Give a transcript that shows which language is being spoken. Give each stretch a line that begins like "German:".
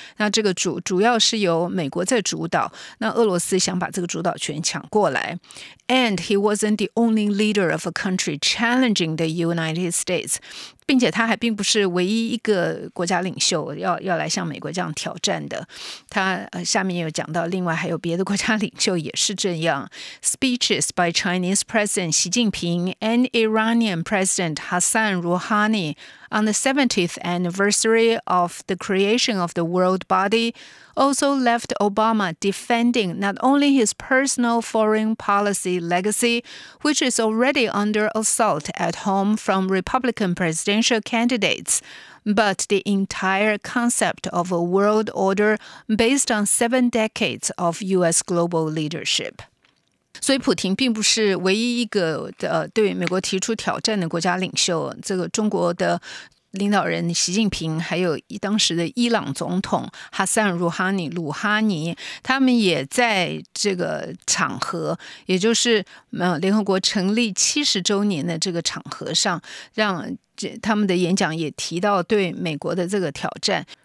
Chinese: 那这个 主要是由美国在主导，那俄罗斯想把这个主导权抢过来。
English: And he wasn't the only leader of a country challenging the United States，
Chinese: 并且他还并不是唯一一个国家领袖 要来向美国这样挑战的。他、下面有讲到另外还有别的国家领袖也是这样。
English: Speeches by Chinese President Xi Jinping and Iranian President Hassan Rouhani on the 70th anniversary of the creation of the world body also left Obama defending not only his personal foreign policy legacy, which is already under assault at home from Republican presidential candidates,but the entire concept of a world order based on 7 decades of U.S. global leadership.
Chinese: 所以普廷并不是唯一一个、对美国提出挑战的国家领袖。这个中国的领导人习近平还有当时的伊朗总统哈桑·鲁哈尼他们也在这个场合，也就是、联合国成立70周年的这个场合上，让他们的演讲也提到对美国的这个挑战。